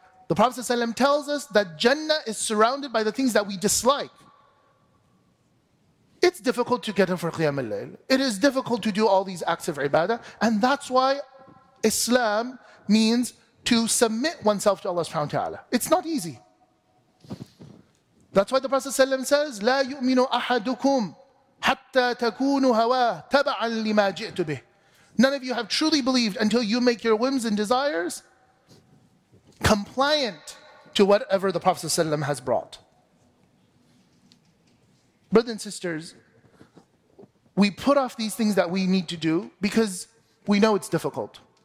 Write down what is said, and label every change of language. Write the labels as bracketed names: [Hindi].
[English] The Prophet ﷺ tells us that Jannah is surrounded by the things that we dislike. It's difficult to get up for Qiyam al-Layl. It is difficult to do all these acts of ibadah. And that's why Islam means to submit oneself to Allah subhanahu wa ta'ala. It's not easy. That's why the Prophet ﷺ says, [Arabic] لا يؤمن أحدكم حتى تكون هواه تبعا لما جئت به. [English] None of you have truly believed until you make your whims and desires compliant to whatever the Prophet ﷺ has brought. Brothers and sisters, we put off these things that we need to do because we know it's difficult.